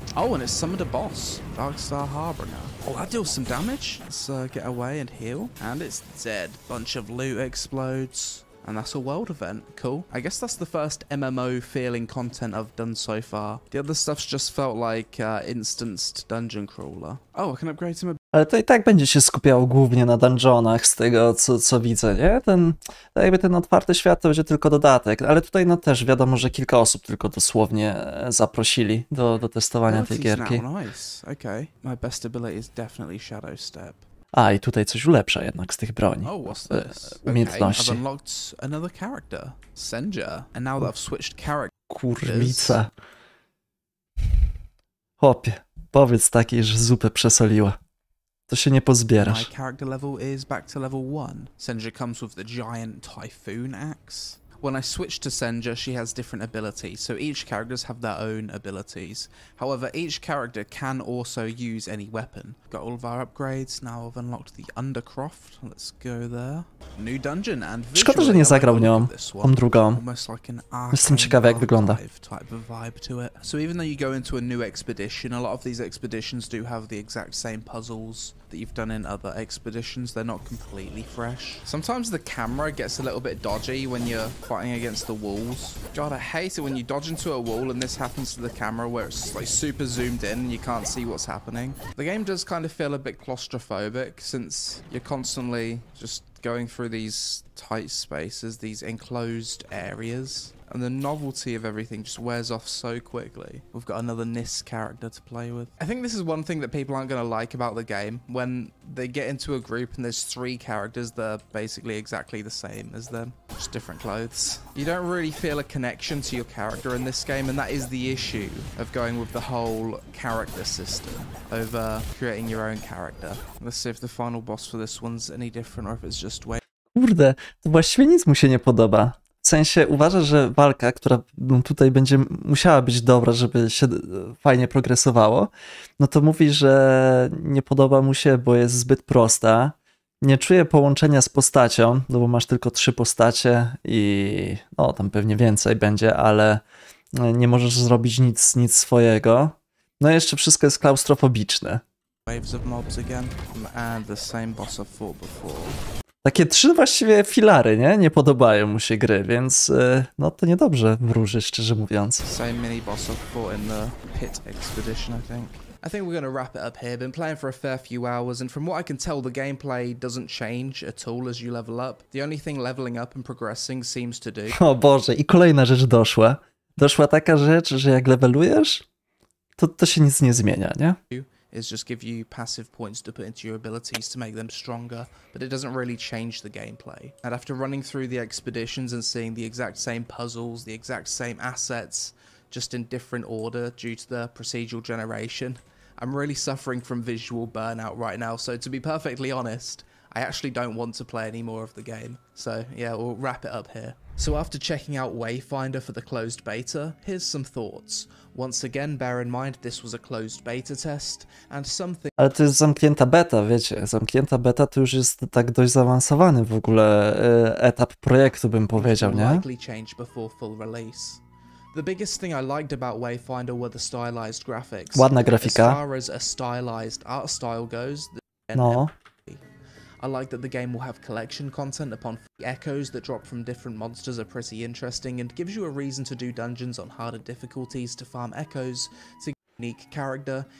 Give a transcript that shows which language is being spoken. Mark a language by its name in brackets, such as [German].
[English] Oh, and it summoned a boss. Dark Star Harbinger. Oh, that deals some damage. Let's get away and heal. And it's dead. Bunch of loot explodes. And that's a world event. Cool. I guess that's the first MMO feeling content I've done so far. The other stuff's just felt like instanced dungeon crawler. Oh, I can upgrade some. [Polish] Ale to i tak będzie się skupiał głównie na dungeonach z tego, co widzę, nie? Ten, jakby ten otwarty świat to będzie tylko dodatek, ale tutaj no też wiadomo, że kilka osób tylko dosłownie zaprosili do testowania tej gierki. [English] Nice. Okay. My best ability is definitely Shadow Step. [Polish] A, i tutaj coś ulepsza jednak z tych broni. [English] Oh, what's this? [Polish] Umiejętności. [English] Okay, I've unlocked another character. Senja. And now that I've switched characters... [Polish] Kurwica. Chłopie, powiedz takiej, że zupę przesoliła. To się nie pozbierasz. [English] My character level is back to level 1. Senja comes with the giant typhoon axe. When I switch to Senja, she has different abilities, so each characters have their own abilities. However, each character can also use any weapon. Got all of our upgrades, now I've unlocked the Undercroft. Let's go there. New dungeon and [Polish] szkoda, że nie zagrał nią, tą drugą. [English] Like [Polish] jestem ciekawy, jak wygląda. [English] Type of vibe to it. So even though you go into a new expedition, a lot of these expeditions do have the exact same puzzles that you've done in other expeditions. They're not completely fresh. Sometimes the camera gets a little bit dodgy when you're fighting against the walls. God, I hate it when you dodge into a wall and this happens to the camera where it's like super zoomed in and you can't see what's happening. The game does kind of feel a bit claustrophobic since you're constantly just going through these tight spaces, these enclosed areas. And the novelty of everything just wears off so quickly. We've got another Nis character to play with. I think this is one thing that people aren't going to like about the game. When they get into a group and there's three characters that are basically exactly the same as them. Just different clothes. You don't really feel a connection to your character in this game. And that is the issue of going with the whole character system over creating your own character. Let's see if the final boss for this one's any different or if it's just way... [Polish] Kurde, to właściwie nic mu się nie podoba. W sensie uważasz, że walka, która tutaj będzie musiała być dobra, żeby się fajnie progresowało, no to mówi, że nie podoba mu się, bo jest zbyt prosta. Nie czuje połączenia z postacią, no bo masz tylko trzy postacie i no tam pewnie więcej będzie, ale nie możesz zrobić nic swojego. No i jeszcze wszystko jest klaustrofobiczne. [English] Waves of mobs again. And the same boss I've fought before. [Polish] Takie trzy właściwie filary, nie? Nie podobają mu się gry, więc no to niedobrze wróży, szczerze mówiąc. [English] Same mini boss I've fought in the pit expedition, I think. I think we're gonna wrap it up here. Been playing for a fair few hours, and from what I can tell, the gameplay doesn't change at all as you level up. The only thing leveling up and progressing seems to do. [Polish] O Boże, i kolejna rzecz doszła. Doszła taka rzecz, że jak levelujesz, to się nic nie zmienia, nie? [English] Is just give you passive points to put into your abilities to make them stronger, but it doesn't really change the gameplay. And after running through the expeditions and seeing the exact same puzzles, the exact same assets, just in different order due to the procedural generation, I'm really suffering from visual burnout right now. So to be perfectly honest, I actually don't want to play any more of the game. So yeah, we'll wrap it up here. So after checking out Wayfinder for the closed beta, here's some thoughts. Once again, bear in mind this was a closed beta test, and something... [Polish] Ale to jest zamknięta beta, wiecie. Zamknięta beta to już jest tak dość zaawansowany w ogóle etap projektu, bym powiedział, nie? [English] ...likely change before full release. The biggest thing I liked about Wayfinder were the stylized graphics. [Polish] Ładna grafika. [English] As far as a stylized art style goes... [Polish] No. [English] I like that the game will have collection content upon the echoes that drop from different monsters are pretty interesting and gives you a reason to do dungeons on harder difficulties to farm echoes to get a unique character.